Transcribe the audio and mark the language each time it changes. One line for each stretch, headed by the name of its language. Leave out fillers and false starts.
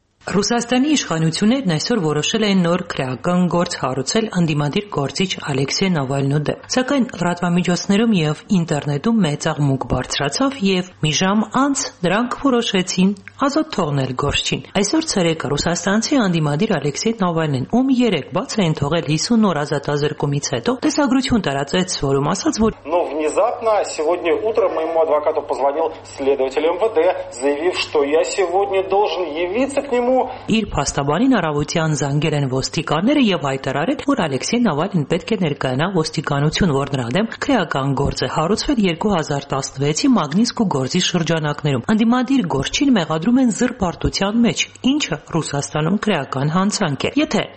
Armenian: Ռուսաստանի իշխանություններն այսօր որոշել են նոր քրեական գործ հարուցել անդիմադիր գործիչ Ալեքսեյ Նավալնու դեմ։ Սակայն լրատվամիջոցներում և ինտերնետում մեծ աղմուկ բարձրացավ և մի ժամ անց նրանք որոշեցին ազատ թողնել գործչին։ Այսօր ցերեկը ռուսաստանցի անդիմադիր Ալեքսեյ Նավալնին, ում 3 բաց են թողել 50 օր ազատազրկումից հետո, տեսագրություն տարածեց, որում ասաց, որ
Russian: «Ну, не внезапно. Сегодня утром моему адвокату позвонил следователь МВД, заявив, что я сегодня должен явиться к нему.
Armenian: Իր փաստաբանին առավոտյան զանգել են ոստիկանները եւ հայտարարել, որ Ալեքսեյ Նավալին պետք է ներկայանա ոստիկանություն, որ նրան դեմ քրեական գործ է հարուցվել 2016-ի Մագնիսկու գործի շրջանակներում։ Անդիմադիր Գորչին մեղադրում են զրպարտության մեջ, ինչը Ռուսաստանում քրեական հանցանք է։ Եթե